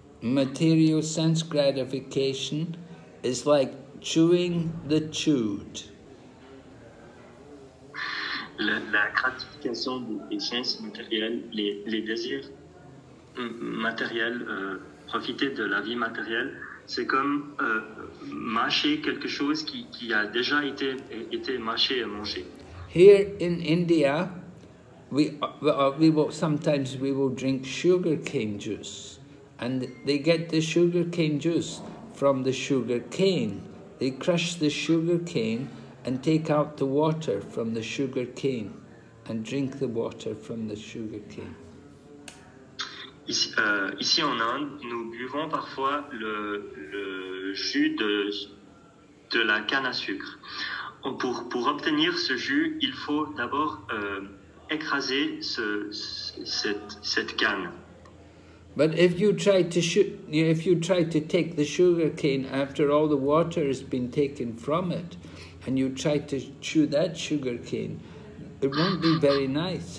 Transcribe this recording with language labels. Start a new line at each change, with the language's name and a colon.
English: Material sense gratification is like chewing the chewed.
French: La gratification des sens matériels, les désirs matériels, profiter de la vie matérielle, c'est comme mâcher quelque chose qui a déjà été mâché et mangé.
English: Here in India, we will sometimes drink sugar cane juice, and they get the sugar cane juice from the sugar cane. They crush the sugar cane and take out the water from the sugar cane and drink the water from the sugar cane.
French: Ici en Inde, nous buvons parfois le jus de la canne à sucre. Pour obtenir ce jus, il faut d'abord écraser cette canne.
English: But if you try to take the sugar cane after all the water has been taken from it, and you try to chew that sugar cane, it won't be very nice.